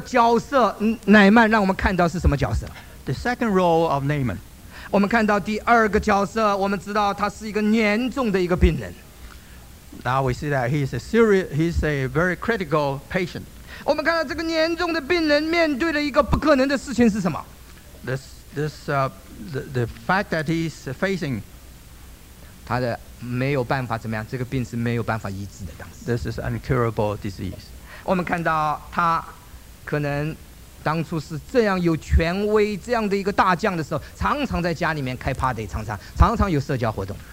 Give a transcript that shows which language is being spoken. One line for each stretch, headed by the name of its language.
Chinese: 角色乃曼让我们看到是什么角色
English: The second role of Naaman
Chinese: 我们看到第二个角色我们知道他是一个严重的一个病人
English: Now we see that he's a very critical patient
Chinese: 我们看到这个严重的病人面对了一个不可能的事情是什么
English: The fact that he's facing
Chinese: 他的没有办法怎么样这个病是没有办法医治的当时
English: This is an incurable disease
Chinese: 我们看到他可能当初是这样有权威这样的一个大将的时候常常在家里面开 party 常常有社交活动